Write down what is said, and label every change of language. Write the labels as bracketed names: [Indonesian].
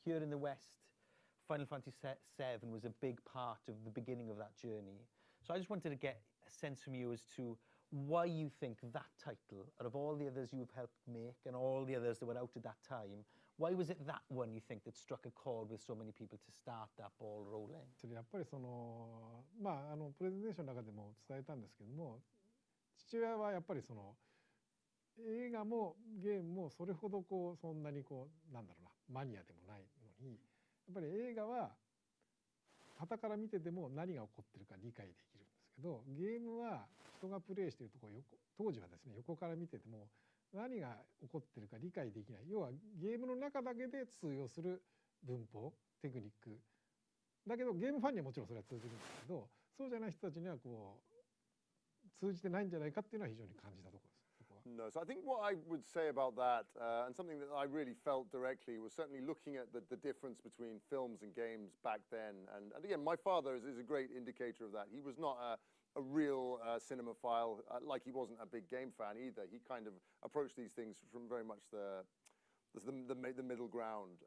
[English] Here in the West, Final Fantasy VII was a big part of the beginning of that journey. So I just wanted to get a sense from you as to why you think that title, out of all the others you've helped make and all the others that were out at that time, why was it that one you think that struck a chord with so many people to start that ball rolling? [Japanese] やっぱりその、まあ、あのプレゼンテーションの中でも伝えたんですけども、父親はやっぱりその映画もゲームもそれほどこうそんなにこうなんだろうなマニアでもないのに、やっぱり映画は傍から見てても何が起こってるか理解できるんですけど、ゲームは人がプレイしているところ当時はですね横から見てても何が起こってるか理解できない、要はゲームの中だけで通用する文法テクニックだけど、ゲームファンにはもちろんそれは通じるんですけど、そうじゃない人たちにはこう通じてないんじゃないかっていうのは非常に感じたところです。 [English] No, so I think what I would say about that, and something that I really felt directly, was certainly looking at the difference between films and games back then. And again, my father is a great indicator of that. He was not a real cinemaphile, like he wasn't a big game fan either. He kind of approached these things from very much the middle ground.